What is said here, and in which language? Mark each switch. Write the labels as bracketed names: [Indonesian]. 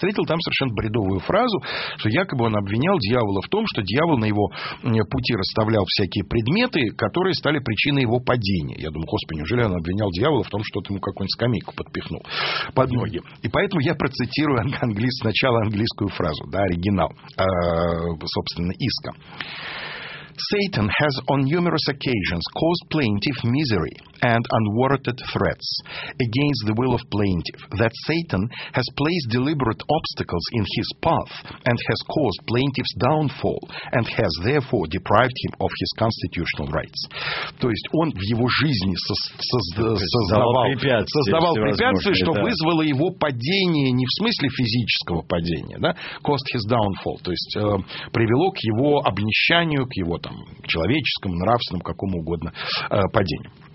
[Russian] Встретил там совершенно бредовую фразу, что якобы он обвинял дьявола в том, что дьявол на его пути расставлял всякие предметы, которые стали причиной его падения. Я думаю, господи, неужели он обвинял дьявола в том, что ему какую-нибудь скамейку подпихнул под ноги? И поэтому я процитирую сначала английскую фразу, да, оригинал, собственно, иска. [English] Satan has on numerous occasions caused plaintiff misery and unwarranted threats against the will of plaintiff, that Satan has placed deliberate obstacles in his path and has caused plaintiff's downfall and has therefore deprived him of his constitutional rights. [Russian] То есть он в его жизни создавал препятствия, что вызвало его падение, не в смысле физического падения, да, [English] caused his downfall, [Russian] то есть привело к его обнищанию, к его там человеческому, нравственному, какому угодно падению.